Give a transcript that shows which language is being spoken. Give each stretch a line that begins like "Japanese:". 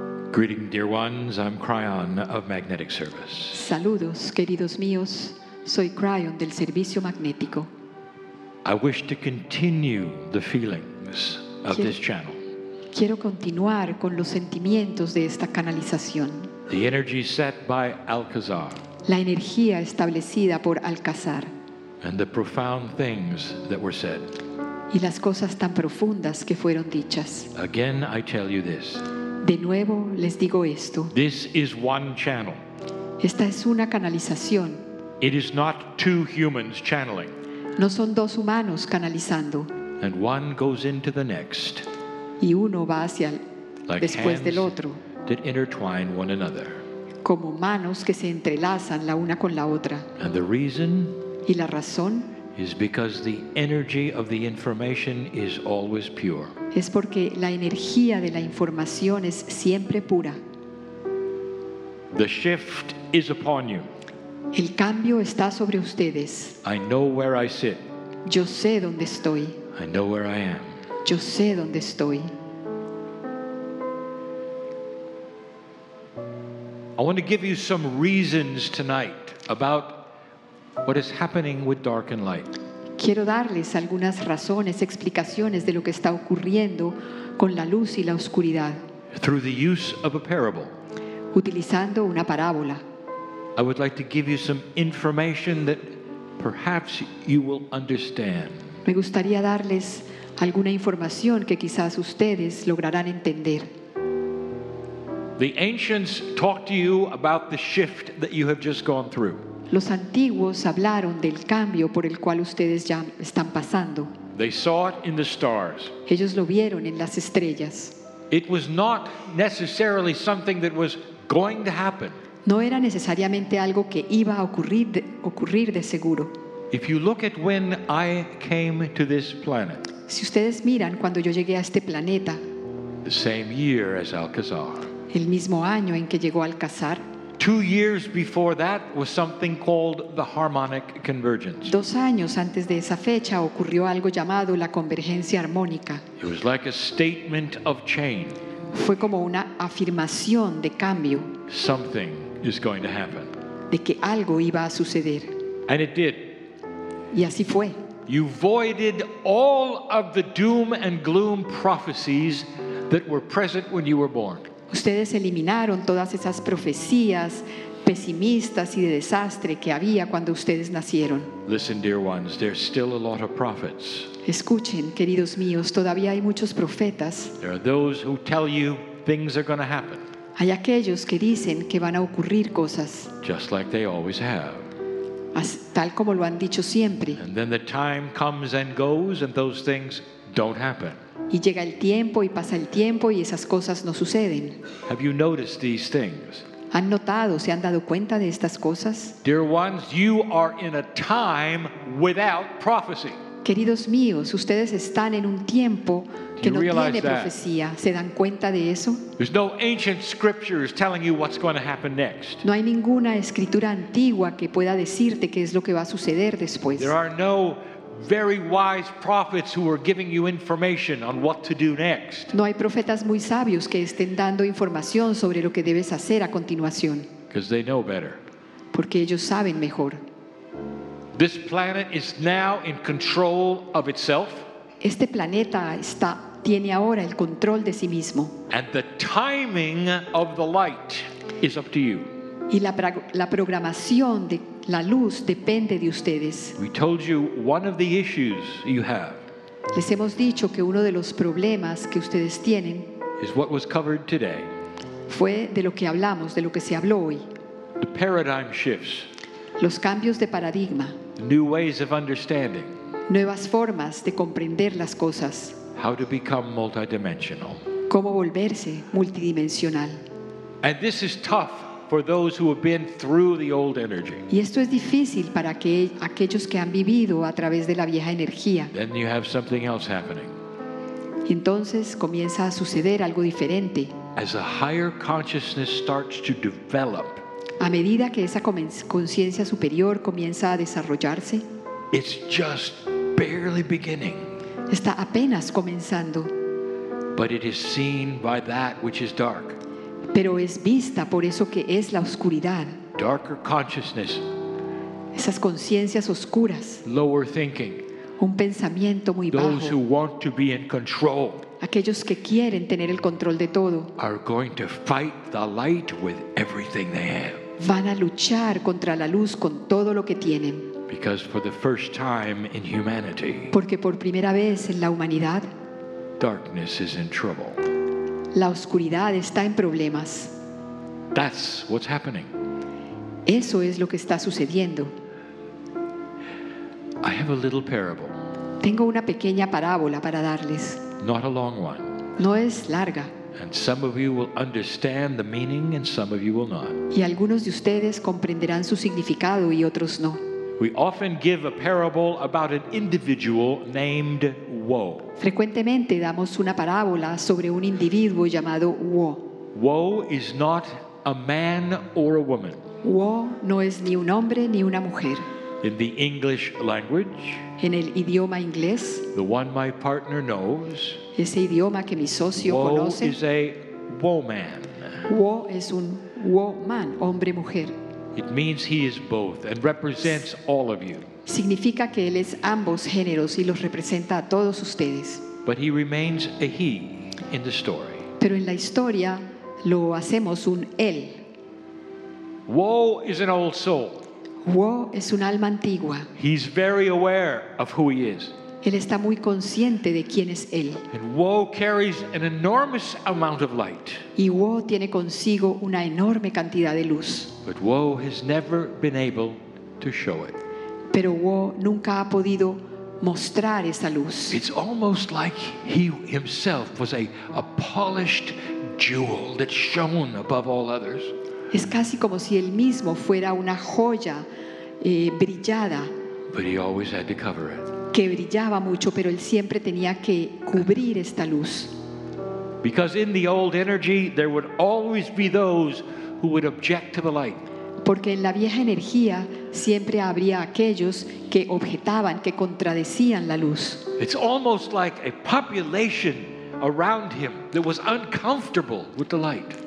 English: Greeting, dear ones. I'm Cryon of Magnetic Service.
Spanish: Saludos, queridos míos. Soy Cryon del servicio magnético.
English: I wish to continue the feelings of this channel.
Spanish: Quiero continuar con los sentimientos de esta canalización.
English: The energy set by Alcazar.
Spanish: La energía establecida por Alcazar.
English: And the profound things that were said.
Spanish: Y las cosas tan profundas que fueron dichas.
English: Again, I tell you this.
Spanish: De nuevo les digo esto.
English: This is one channel.
Spanish: Esta es una canalización.
English: It is not two humans channeling.
Spanish: No son dos humanos canalizando.
English: And one goes into the next.
Spanish: Y uno va hacia
English: like
Spanish: después del otro.
English: That intertwine one another.
Spanish: Como manos que se entrelazan la una con la otra.
English: And the reason,
Spanish: y la razón,
English: is because the energy of the information is always pure.
Spanish: Es porque la energía de la información es siempre pura.
English: The shift is upon you.
Spanish: El cambio está sobre ustedes.
English: I know where I sit.
Spanish: Yo sé dónde estoy.
English: I know where I am.
Spanish: Yo sé dónde estoy.
English: I want to give you some reasons tonight about what is happening with dark and light.
Spanish: Quiero darles algunas razones, explicaciones de lo que está ocurriendo con la luz y la oscuridad.
English: Through the use of a parable.
Spanish: Utilizando una parábola.
English: I would like to give you some information that perhaps you will understand.
Spanish: Me gustaría darles alguna información que quizás ustedes lograrán entender.
English: The ancients talked to you about the shift that you have just gone through.
Spanish: Los antiguos hablaron del cambio por el cual ustedes ya están pasando.
English: They saw it in the stars.
Spanish: Ellos lo vieron en las estrellas.
English: It was not necessarily something that was going to happen.
Spanish: No era necesariamente algo que iba a ocurrir de seguro.
English: If you look at when I came to this planet.
Spanish: Si ustedes miran cuando yo llegué a este planeta.
English: The same year as Alcazar.
Spanish: El mismo año en que llegó Alcazar.
English: 2 years before that was something called the harmonic convergence.
Spanish: 2 años antes de esa fecha ocurrió algo llamado la convergencia armónica.
English: It was like a statement of change.
Spanish: Fue como una afirmación de cambio.
English: Something is going to happen.
Spanish: De que algo iba a suceder.
English: And it did.
Spanish: Y así fue.
English: You voided all of the doom and gloom prophecies that were present when you were born.
Spanish: Ustedes eliminaron todas esas profecías pesimistas y de desastre que había cuando ustedes nacieron.
English: Listen, dear ones, there's still a lot of prophets.
Spanish: Escuchen, queridos míos, todavía hay muchos profetas.
English: There are those who tell you things are going to happen.
Spanish: Hay aquellos que dicen que van a ocurrir cosas.
English: Just like they always have.
Spanish: Tal como lo han dicho siempre.
English: And then the time comes and goes and those things don't happen.
Spanish: Y llega el tiempo y pasa el tiempo y esas cosas no suceden.
English: Have you noticed these things?
Spanish: ¿Han notado, se han dado cuenta de estas cosas?
English: Dear ones, you are in a time without prophecy.
Spanish: Queridos míos, ustedes están en un tiempo que no tiene profecía. ¿Se dan cuenta de eso?
English: There's no ancient scriptures telling you what's going to happen next.
Spanish: No hay ninguna escritura antigua que pueda decirte qué es lo que va a suceder después.
English: There are no very wise prophets who are giving you information on what to do next.
Spanish: No hay profetas muy sabios que estén dando información sobre lo que debes hacer a continuación.
English: Because they know better.
Spanish: Porque ellos saben mejor.
English: This planet is now in control of itself.
Spanish: Este planeta está, tiene ahora el control de sí mismo.
English: And the timing of the light is up to you.
Spanish: Y la programación de la luz depende de ustedes.
English: We told you one of the issues you have.
Spanish: Les hemos dicho que uno de los problemas que ustedes tienen
English: is what was covered today.
Spanish: Fue de lo que hablamos, de lo que se habló hoy.
English: The paradigm shifts.
Spanish: Los cambios de paradigma.
English: New ways of understanding.
Spanish: Nuevas formas de comprender las cosas.
English: How to become multidimensional.
Spanish: Cómo volverse multidimensional.
English: And this is tough for those who have been through the old energy.
Spanish: Y esto es difícil para aquellos que han vivido a través de la vieja energía.
English: Then you have something else happening.
Spanish: Y entonces comienza a suceder algo diferente.
English: As a higher consciousness starts to develop.
Spanish: A medida que esa conciencia superior comienza a desarrollarse,
English: it's just barely beginning.
Spanish: Está apenas comenzando.
English: But it is seen by that which is dark.
Spanish: Pero es vista por eso que es la oscuridad.
English: Darker consciousness.
Spanish: Esas conciencias oscuras.
English: Lower thinking.
Spanish: Un pensamiento muy bajo.
English: Those who want to be in control.
Spanish: Aquellos que quieren tener el control de todo
English: are going to fight the light with everything they have.
Spanish: Van a luchar contra la luz con todo lo que tienen.
English: Because for the first time in humanity,
Spanish: porque por primera vez en la humanidad,
English: darkness is in trouble.
Spanish: La oscuridad está en problemas.
English: That's what's happening.
Spanish: Eso es lo que está sucediendo.
English: I have a little parable.
Spanish: Tengo una pequeña parábola para darles.
English: Not a long one.
Spanish: No es larga.
English: And some of you will understand the meaning and some of you will not.
Spanish: Y algunos de ustedes comprenderán su significado y otros no.
English: We often give a parable about an individual named Wo.
Spanish: Frecuentemente damos una parábola sobre un individuo llamado Wo.
English: Wo is not a man or a woman.
Spanish: Wo no es ni un hombre ni una mujer.
English: In the English language,
Spanish: en el idioma inglés,
English: the one my partner knows,
Spanish: ese idioma que mi socio wo conoce,
English: is a woman.
Spanish: Wo es un woman, hombre mujer.
English: It means he is both and represents all of you.
Spanish: Significa que él es ambos géneros y los representa a todos ustedes.
English: But he remains a he in the story.
Spanish: Pero en la historia lo hacemos un él.
English: Wo is an old soul.
Spanish: Wo es un alma antigua.
English: He's very aware of who he is.
Spanish: Él está muy consciente de quién es él.
English: And Wo carries an enormous amount of light.
Spanish: Y Wo tiene consigo una enorme cantidad de luz.
English: But Wo has never been able to show it.
Spanish: Pero Wo nunca ha podido mostrar esa luz.
English: It's almost like he himself was a polished jewel that shone above all others.
Spanish: Es casi como si él mismo fuera una joya brillada.
English: But he always had to cover it.
Spanish: Que brillaba mucho, pero él siempre tenía que cubrir esta luz.
English: Because in the old energy there would always be those who would object to the light.
Spanish: Porque en la vieja energía siempre habría aquellos que objetaban, que contradecían la luz.
English: It's almost like a population around him that was uncomfortable with the light.